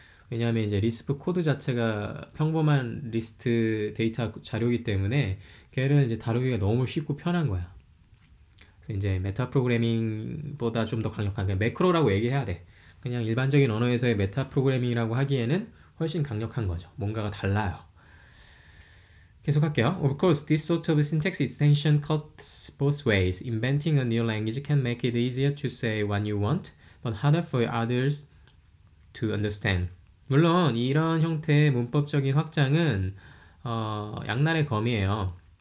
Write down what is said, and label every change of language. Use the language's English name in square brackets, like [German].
[Korean] 왜냐하면 이제 리스프 코드 자체가 평범한 리스트 데이터 자료이기 때문에 걔를 이제 다루기가 너무 쉽고 편한 거야. 그래서 이제 메타 프로그래밍보다 좀 더 강력한 그냥 매크로라고 얘기해야 돼. 그냥 일반적인 언어에서의 메타 프로그래밍이라고 하기에는 훨씬 강력한 거죠. 뭔가가 달라요. 계속할게요. [English] Of course, this sort of syntax extension cuts both ways. Inventing a new language can make it easier to say what you want, but harder for others to understand. [Korean] 물론 이런 형태의 문법적인 확장은 양날의 검이에요.